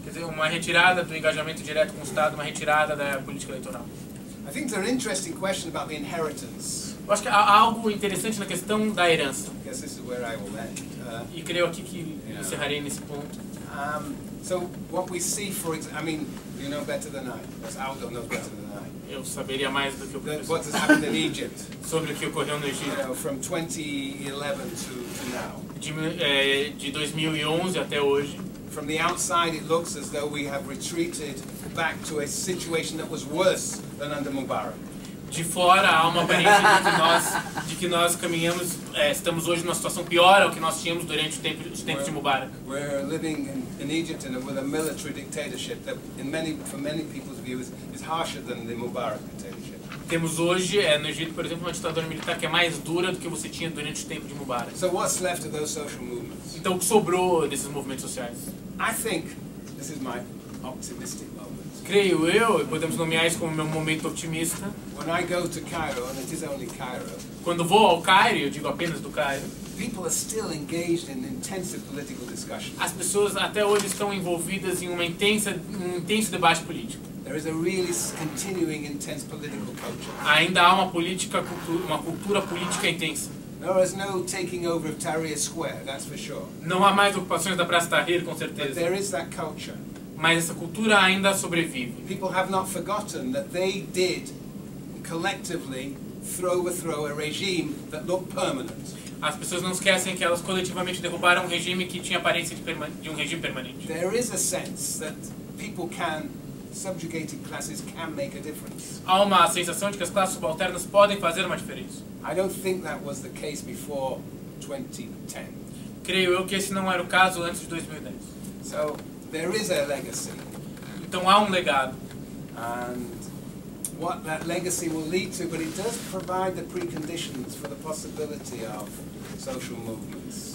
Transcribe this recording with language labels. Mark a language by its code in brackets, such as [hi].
[pt] Quer dizer, uma retirada do engajamento direto com o Estado, uma retirada da política eleitoral. [en] I think there's an interesting question about the inheritance. [pt] Eu acho que há algo interessante na questão da herança. [en] I guess this is where I will end. [pt] E creio aqui que encerrarei nesse ponto. [en] So what we see, for example, I mean, you know better than I. Aldo knows better than I. [pt] Eu saberia mais do que o professor. [en] What has happened in Egypt? [pt] Sobre o que ocorreu no Egito. [en] From 2011 to now. [pt] De 2011 até hoje. [en] From the outside, it looks as though we have retreated back to a situation that was worse than under Mubarak. [pt] De fora, há uma aparência de que nós caminhamos, estamos hoje numa situação pior ao que nós tínhamos durante os tempos de Mubarak. [en] We're living in Egypt and with a military dictatorship that, for many people's views, is harsher than the Mubarak dictatorship. [pt] Temos hoje, no Egito, por exemplo, uma ditadura militar que é mais dura do que você tinha durante o tempo de Mubarak. [en] So what's left of those social movements? [pt] Então, o que sobrou desses movimentos sociais? [en] I think this is my optimistic moment. [pt] Creio eu, e podemos nomear isso como meu momento otimista. [en] When I go to Cairo, and it is only Cairo, [pt] quando vou ao Cairo, eu digo apenas do Cairo, [en] people are still engaged in intensive political discussions. [pt] As pessoas até hoje estão envolvidas em um intenso debate político. [en] There is a really continuing intense political culture. [pt] Ainda há uma cultura política intensa. [en] There is no taking over of Tahrir Square, that's for sure. [pt] Não há mais ocupações da Praça Tahrir, com certeza. [en] But there is that culture. [pt] Mas essa cultura ainda sobrevive. [en] People have not forgotten that they did collectively overthrow a regime that looked permanent. [pt] As pessoas não esquecem que elas coletivamente derrubaram um regime que tinha aparência de um regime permanente. [en] There is a sense that people can, subjugated classes can make a difference. [pt] Há uma sensação de que as classes subalternas podem fazer uma diferença. [en] I don't think that was the case before 2010. [pt] Creio eu que esse não era o caso antes de 2010. [en] So, there is a legacy. [pt] Então há um legado. [en] And what that legacy will lead to, but it does provide the preconditions for the possibility of social movements.